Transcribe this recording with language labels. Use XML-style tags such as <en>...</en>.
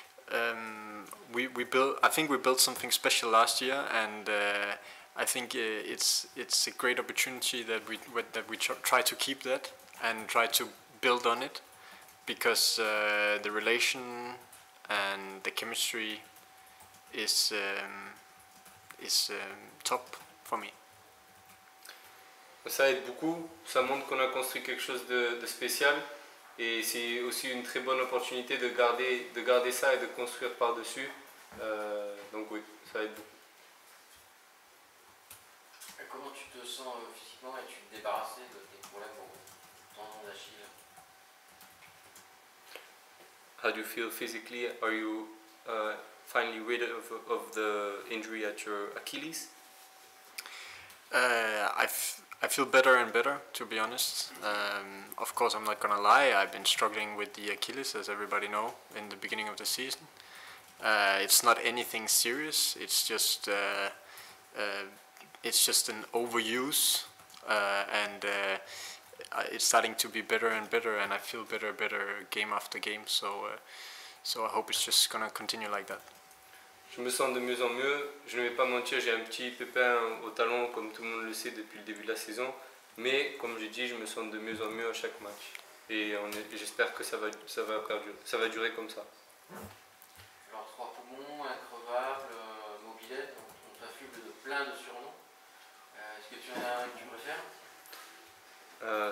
<en>I think we built something special last year, and I think it's a great opportunity that we try to keep that and try to build on it, because the relation and the chemistry is top for me.</en> <fr>Ça aide beaucoup. Ça montre qu'on a construit quelque chose de spécial, et c'est aussi une très bonne opportunité de garder ça et de construire par-dessus. Donc oui, ça aide beaucoup. Et comment tu te sens physiquement? Es-tu débarrassé de tes problèmes au tendon d'Achille?</fr> <en>How do you feel physically? Are you finally rid of the injury at your Achilles? I feel better and better, to be honest. Of course, I'm not gonna lie, I've been struggling with the Achilles, as everybody know, in the beginning of the season. It's not anything serious, it's just an overuse, and it's starting to be better and better, and I feel better and better game after game, so I hope it's just gonna continue like that.</en> <fr>Je me sens de mieux en mieux, je ne vais pas mentir, j'ai un petit pépin au talon comme tout le monde le sait depuis le début de la saison, mais comme j'ai dit, je me sens de mieux en mieux à chaque match, et j'espère que ça va durer comme ça. Alors trois poumons, increvables, mobilettes, on t'affuble de plein de surnoms, est-ce que tu en as un que tu préfères?</fr>